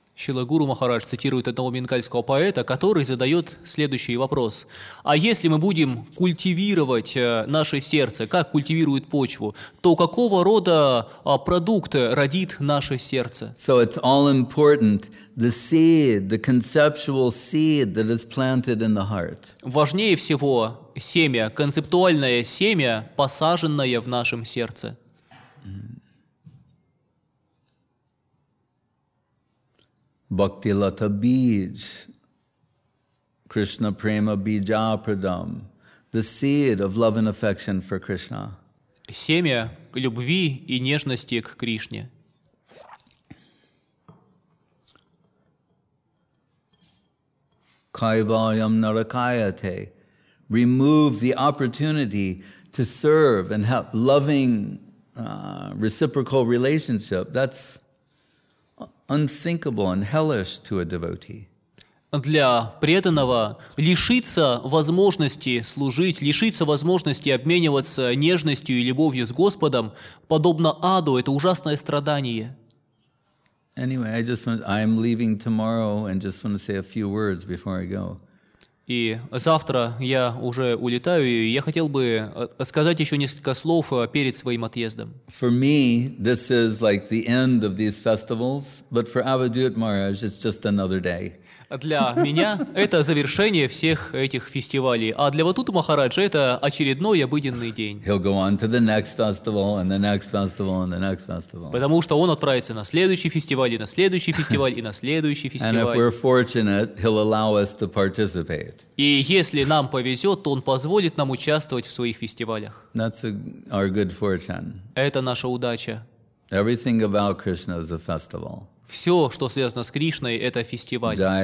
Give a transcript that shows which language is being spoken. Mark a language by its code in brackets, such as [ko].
[ru] Шрила Гуру Махарадж цитирует одного бенгальского поэта, который задает следующий вопрос. А если мы будем культивировать наше сердце, как культивируют почву, то какого рода продукт родит наше сердце? [en] So it's all important, the seed, the conceptual seed that is planted in the heart. [ru] Важнее всего семя, концептуальное семя, посаженное в нашем сердце. [sa] Bhakti Lata Bij, Krishna Prema Bijapradam, [en] the seed of love and affection for Krishna. [ru] Семя любви и нежности к Кришне. [sa] Kaivalyam Narakayate, [en] remove the opportunity to serve and have loving reciprocal relationship. That's unthinkable and hellish to a devotee. [ru] Для преданного лишиться возможности служить, лишиться возможности обмениваться нежностью и любовью с Господом, подобно аду, это ужасное страдание. [en] Anyway, I'm leaving tomorrow and just want to say a few words before I go. [ru] И завтра я уже улетаю, и я хотел бы сказать еще несколько слов перед своим отъездом. [en] For me, this is like the end of these festivals, but for Avadhut Maharaj, it's just another day. [ru] для меня это завершение всех этих фестивалей, а для Ватута Махараджа это очередной обыденный день. [en] He'll go on to the next festival and the next festival and the next festival. [ru] Потому что он отправится на следующий фестиваль и на следующий фестиваль и на следующий фестиваль. [en] And if we're fortunate, he'll allow us to participate. [ru] И если нам повезет, то он позволит нам участвовать в своих фестивалях. [en] That's our good fortune. [ru] Это наша удача. [en] Everything about Krishna is a festival. [ru] Все, что связано с Кришной, это фестиваль.